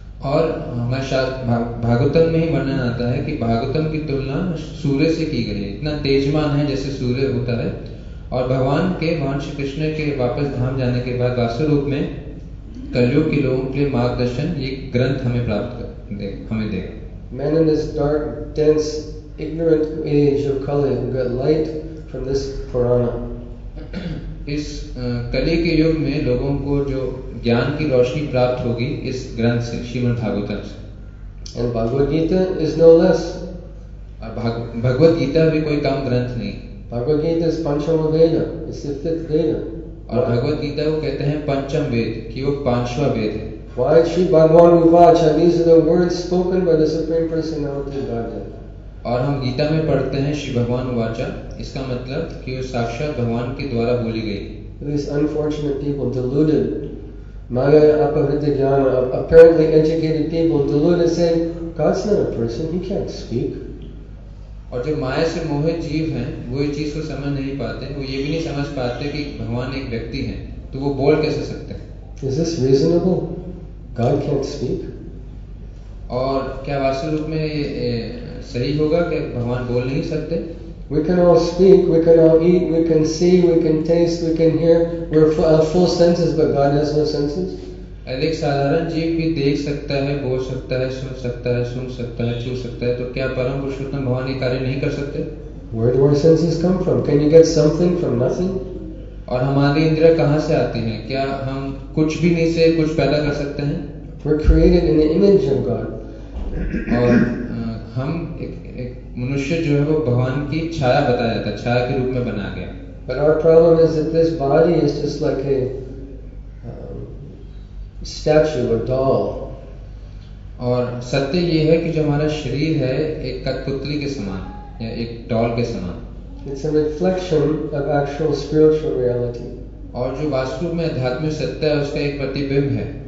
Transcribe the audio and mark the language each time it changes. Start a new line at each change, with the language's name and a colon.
Hindi: और हमें भागवतम में ही वर्णन आता है कि भागवतम की तुलना सूर्य से की गई है इतना तेजमान है जैसे सूर्य होता है और भगवान के भगवान श्री कृष्ण के वापस धाम जाने के बाद वास्तव रूप में कलयुग के लोगों के लिए मार्गदर्शन ये ग्रंथ हमें प्राप्त कर दे हमें दे
English: Man in this dark, dense, ignorant age of Kali who got light from this Purana.
Hindi: इस कली के युग में लोगों को जो ज्ञान की रोशनी प्राप्त होगी इस ग्रंथ से श्रीमद् भागवतम से
English: and Bhagavad Gita is no less
Hindi: Bhagavad Gita भी कोई कम ग्रंथ नहीं
English: Bhagavad Gita is pancham Veda it's the fifth Veda
Hindi: और भगवद गीता को कहते हैं पंचम वेद कि वो पांचवा वेद है
English: Why Sri Bhagavan Upacha, these are the words spoken by the Supreme Personality of Godhead.
Hindi: और हम गीता में पढ़ते हैं श्री भगवान वाचा इसका मतलब कि वो साक्षात भगवान के द्वारा बोली गई
English: These unfortunate people deluded Maya apavritta jnana of apparently educated people deluded saying God's not a person he can't speak
Hindi: और जो माया से मोहित जीव हैं वो ये चीज को समझ नहीं पाते वो ये भी नहीं समझ पाते कि भगवान एक व्यक्ति हैं तो वो बोल कैसे सकते हैं
English: Is this reasonable God can't speak
Hindi: और क्या वास्तव रूप में सही होगा कि भगवान बोल नहीं सकते
English: We can all speak, we can all eat, we can see, we can taste, we can hear. We have full senses, but God has no senses.
Hindi: एक साधारण जीव भी देख सकता है, बोल सकता है, सुन सकता है, सुन सकता है, छू सकता है, तो क्या परम पुरुषोत्तम भगवान ये कार्य नहीं कर सकते?
English: Where do our senses come from? Can you get something from nothing?
Hindi: और हमारी इंद्रियां कहाँ से आती हैं? क्या हम कुछ भी नहीं से कुछ पैदा कर सकते हैं?
English: We're created in the image of God.
Hindi: और हम एक मनुष्य जो है वो भगवान की छाया बताया जाता है छाया के रूप में बना गया
English: But our problem is that this body is just like a statue or doll.
Hindi: और सत्य ये है कि जो हमारा शरीर है एक कठपुतली के समान या एक डॉल के समान
English: It's a reflection of actual spiritual reality.
Hindi: और जो वास्तव में आध्यात्मिक सत्य है उसका एक प्रतिबिंब है.